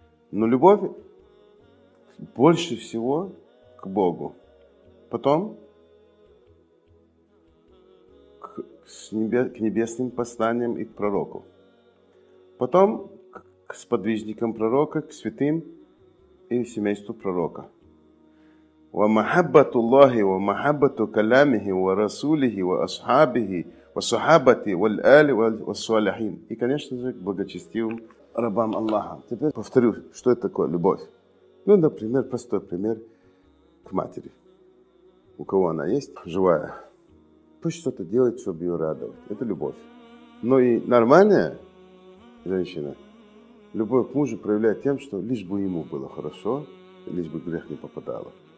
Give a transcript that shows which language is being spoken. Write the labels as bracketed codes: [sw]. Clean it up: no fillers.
[ru] Но любовь больше всего к Богу, потом к небесным посланиям и к пророку, потом к сподвижникам пророка, к святым и семейству пророка. [ar] ومحبه الله ومحبه كلامه ورسوله واصحابه وصحابته والال والصالحين [ru] и конечно же к благочестивым рабам Аллаха. Теперь повторю, что это такое любовь. Ну, например, простой пример к матери. У кого она есть живая, пусть что-то делает, чтобы ее радовать. Это любовь. Но и нормальная женщина любовь к мужу проявляет тем, что лишь бы ему было хорошо, лишь бы грех не попадало.